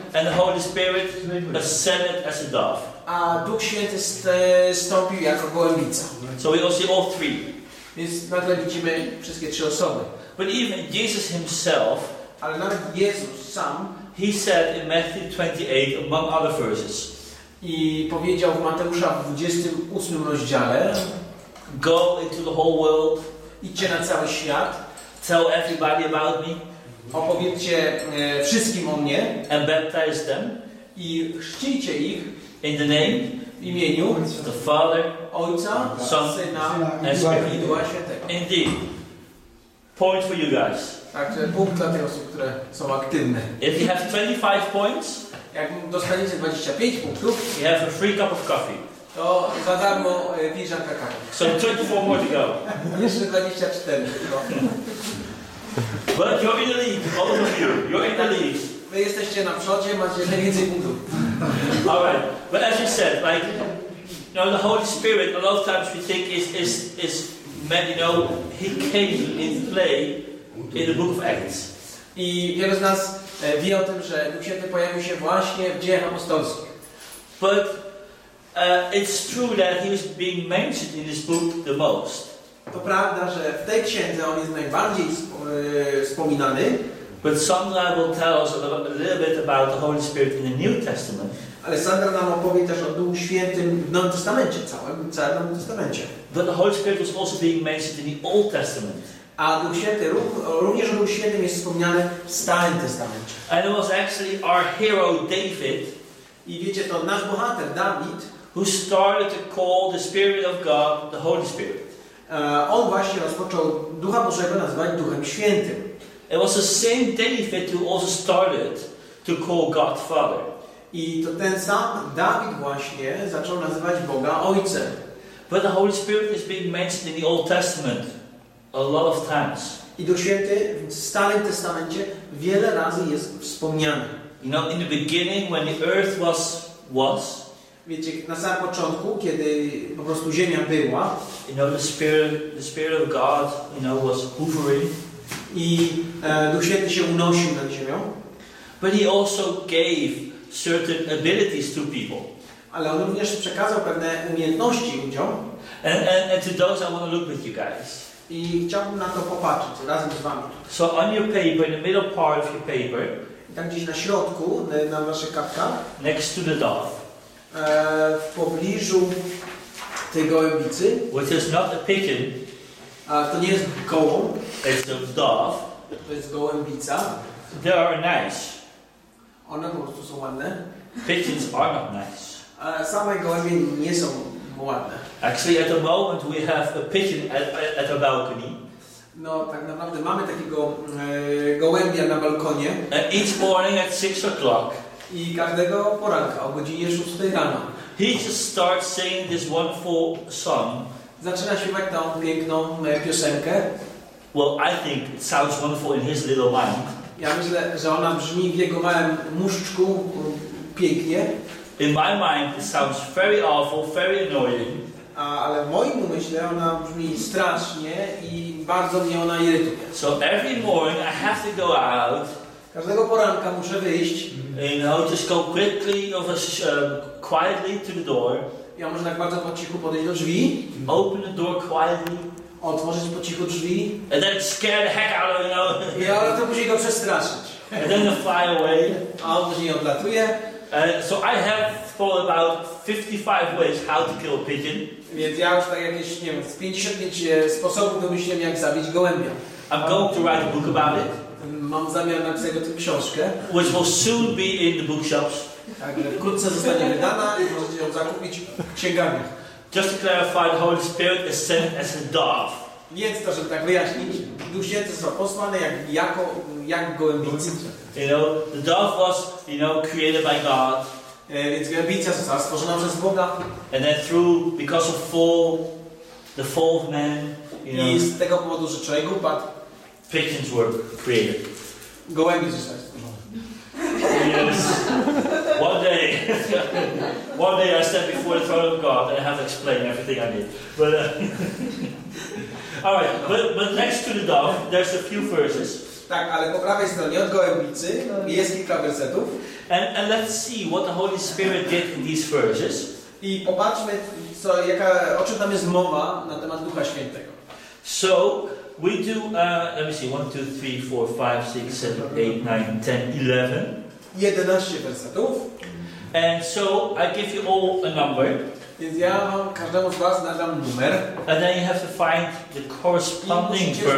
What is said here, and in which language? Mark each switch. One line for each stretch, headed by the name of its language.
English: And the Holy Spirit ascended as a dove.
Polish: A Duch Święty stąpił jako gołębica.
English: So we all see all three.
Polish: Więc nagle widzimy wszystkie trzy osoby.
English: But even Jesus Himself,
Polish: ale nawet Jezus sam,
English: He said in Matthew 28, among other verses.
Polish: I powiedział w Mateusza w 28 rozdziale.
English: Go into the whole world.
Polish: Idźcie na cały świat.
English: Tell everybody about me.
Polish: Opowiedzcie wszystkim o mnie.
English: And baptize them.
Polish: I chrzcijcie ich.
English: In the name.
Polish: W imieniu.
English: The Father.
Polish: Ojca.
English: Son.
Polish: Syna.
English: And Spirit.
Polish: I Ducha Świętego.
English: Indeed. Point for you guys.
Polish: Także punkt dla tych osób, które są aktywne.
English: If you have 25 points,
Polish: jak dostaniecie 25 punktów,
English: you have a free cup of coffee.
Polish: To za darmo filiżanka kawy.
English: So 24 more to go.
Polish: Jeszcze 24.
English: But you're in the league, all of you. You're in the league.
Polish: Wy jesteście na przodzie, macie najwięcej punktów.
English: All right. But as you said, like, you know, the Holy Spirit, a lot of times we think is meant, you know, He came in play. In the book of Acts.
Polish: I wielu z nas wie o tym, że Duch Święty pojawił się właśnie w Dziejach Apostolskich.
English: But it's true that he was being mentioned in this book the most.
Polish: To prawda, że w tej księdze on jest najbardziej wspominany.
English: But Sandra will tell us a little bit about the Holy Spirit in the New Testament.
Polish: Ale Sandra nam opowie też o Duchu Świętym w Nowym Testamencie, całym Nowym Testamencie.
English: But the Holy Spirit was also being mentioned in the Old Testament.
Polish: A Duch Święty, również Duch Świętym jest wspomniany w Starym Testamencie.
English: And it was actually our hero David,
Polish: i wiecie to, nasz bohater David,
English: who started to call the Spirit of God the Holy Spirit.
Polish: On właśnie rozpoczął Ducha Bożego nazywać Duchem Świętym.
English: It was the same David who also started to call God Father.
Polish: I to ten sam David właśnie zaczął nazywać Boga Ojcem.
English: But the Holy Spirit is being mentioned in the Old Testament. A lot of times.
Polish: I Duch Święty w Starym Testamencie wiele razy jest wspomniany.
English: You know, in the beginning, when the earth was.
Polish: Wiecie, na samym początku, kiedy po prostu ziemia była.
English: You know, the spirit of God, you know, was hovering.
Polish: I Duch Święty się unosił nad ziemią.
English: But he also gave certain abilities to people.
Polish: Ale on również przekazał pewne umiejętności ludziom.
English: And to those I want to look with you guys.
Polish: I chciałbym na to popatrzeć razem z wami.
English: So on your paper, in the middle part of your paper,
Polish: tam gdzieś na środku, na waszych kartkach,
English: next to the dove,
Polish: w pobliżu tej gołębicy,
English: which is not a pigeon,
Polish: to nie jest gołąb,
English: it's a dove,
Polish: to jest gołębica,
English: they are nice.
Polish: One po prostu są ładne.
English: Pigeons are not nice.
Polish: Same gołębie nie są ładne.
English: Actually, at the moment we have a pigeon at our balcony.
Polish: No, tak naprawdę mamy takiego gołębia na balkonie.
English: Each morning at 6 o'clock.
Polish: I każdego poranka o godzinie 6 rano.
English: He just starts singing this wonderful song.
Polish: Zaczyna śpiewać tą piękną piosenkę.
English: Well, I think it sounds wonderful in his little mind.
Polish: Ja myślę, że ona brzmi w jego małym mózgu pięknie.
English: In my mind, it sounds very awful, very annoying.
Polish: Ale w moim umyśle ona brzmi strasznie i bardzo mnie ona irytuje.
English: So every morning I have to go out.
Polish: Każdego poranka muszę wyjść.
English: And I'll just go quickly, quietly to the door.
Polish: Ja muszę tak bardzo po cichu podejść do drzwi.
English: Open the door quietly.
Polish: Otworzyć po cichu drzwi.
English: And then scare the heck out of you.
Polish: I ona to później go przestraszyć.
English: And then fly away.
Polish: A on później odlatuje.
English: So I have thought about 55 ways how to kill a pigeon.
Polish: Więc ja już tak jakieś, nie wiem, 55 sposobów domyślałem, jak zabić gołębia.
English: I'm going to write a book about it.
Polish: Mam zamiar napisać o tym książkę.
English: Which will soon be in the bookshops.
Polish: Także wkrótce zostanie wydana i możecie ją zakupić w księgarniach.
English: Just to clarify, the Holy Spirit is sent as a dove.
Polish: Nie jest to, żeby tak wyjaśnić. Duch Święty został posłany jak gołębicy.
English: You know, the dove was, you know, created by God.
Polish: Więc gołębica została stworzona przez Boga.
English: And then through, because of fall, the fall of man, you know.
Polish: I z tego powodu, że człowiek upadł.
English: Pigeons were created.
Polish: Gołębie zostały stworzone.
English: Yes. One day. One day I stand before the throne of God and I have to explain everything I did. But, all right, but next to the dove, there's a few verses.
Polish: Tak, ale po prawej stronie od gołębicy jest kilka wersetów.
English: And let's see what the Holy Spirit did in these verses.
Polish: I popatrzmy, co, jaka, o czym tam jest mowa na temat Ducha Świętego.
English: So we do, let me see, 1, 2, 3, 4, 5, 6, 7, 8, 9, 10, 11.
Polish: 11 wersetów.
English: And so I give you all a number.
Polish: Więc ja mam każdemu z was nadam numer.
English: And then you have to find the corresponding verse.